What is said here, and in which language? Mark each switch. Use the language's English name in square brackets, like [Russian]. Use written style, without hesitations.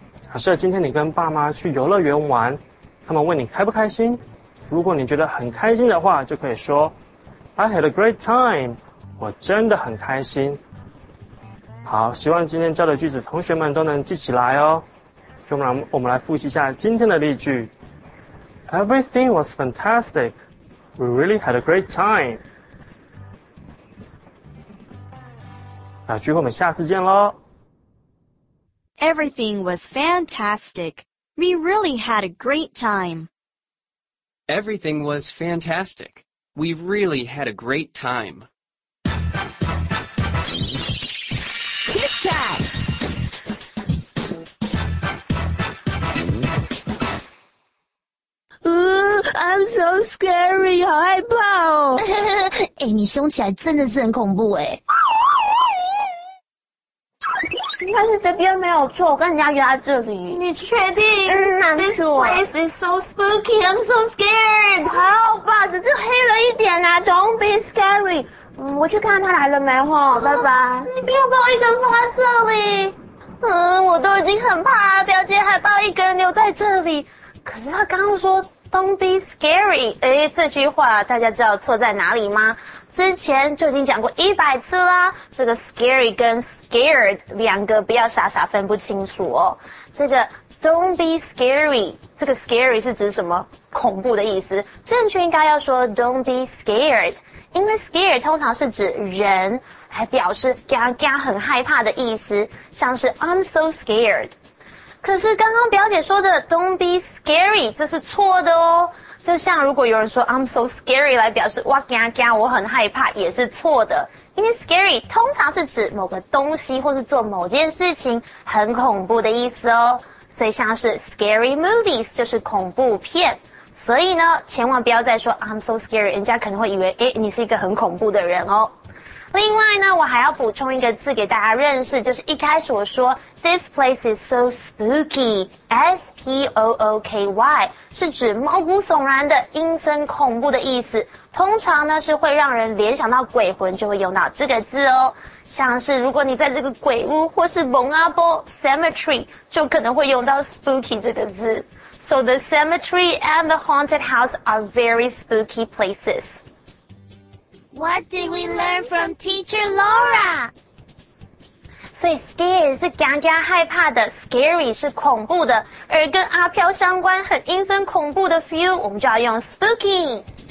[Chinese] 假设今天你跟爸妈去游乐园玩，他们问你开不开心，如果你觉得很开心的话，就可以说 [English] I had a great time， [Chinese] 我真的很开心。好，希望今天教的句子同学们都能记起来哦。就我们来复习一下今天的例句。 [English] Everything was fantastic. We really had a great time. [Chinese] 那聚会我们下次见咯。 [English] Everything was fantastic. We really had a great time. Everything was fantastic. We really had a great time. Tic Tac! I'm so scary, [Chinese] 好害怕哦！哎、欸，你凶起来真的是很恐怖哎、欸。应该是这边没有错，我跟人家约在这里。你确定？嗯，没错。 [English] This place is so spooky, I'm so scared. [Chinese] 好吧，只是黑了一点啊 ， [English] Don't be scary。 [Chinese] 嗯，我去看他来了没哈，拜拜。你不要把我一个人放在这里。嗯，我都已经很怕了，表姐还把我一个人留在这里。可是他刚刚说。 [English] Don't be scary. [Chinese] 诶，这句话大家知道错在哪里吗？之前就已经讲过100次啦。这个 scary 跟 scared 两个不要傻傻分不清楚哦。这个 don't be scary， 这个 scary 是指什么？恐怖的意思。正确应该要说 [English] don't be scared， [Chinese] 因为 scared 通常是指人，还表示嘎嘎很害怕的意思，像是 [English] I'm so scared。 [Chinese] 可是刚刚表姐说的 [English] don't be scary [Chinese] 这是错的哦，就像如果有人说 [English] I'm so scary [Chinese] 来表示哇嘎嘎我很害怕也是错的，因为 scary 通常是指某个东西或是做某件事情很恐怖的意思哦，所以像是 [English] scary movies [Chinese] 就是恐怖片，所以呢千万不要再说 I'm so scary， 人家可能会以为诶你是一个很恐怖的人哦。另外呢我还要补充一个字给大家认识，就是一开始我说 [English] This place is so spooky [Chinese] S-P-O-O-K-Y 是指毛骨悚然的阴森恐怖的意思，通常呢是会让人联想到鬼魂就会用到这个字哦，像是如果你在这个鬼屋或是蒙阿波 Cemetery 就可能会用到 spooky 这个字。 [English] So the cemetery and the haunted house are very spooky places What did we learn from teacher Laura? [Chinese] 所以 scare 是嘎嘎害怕的， scary 是恐怖的，而跟阿飘相关很阴森恐怖的 feel， 我们就要用 spooky。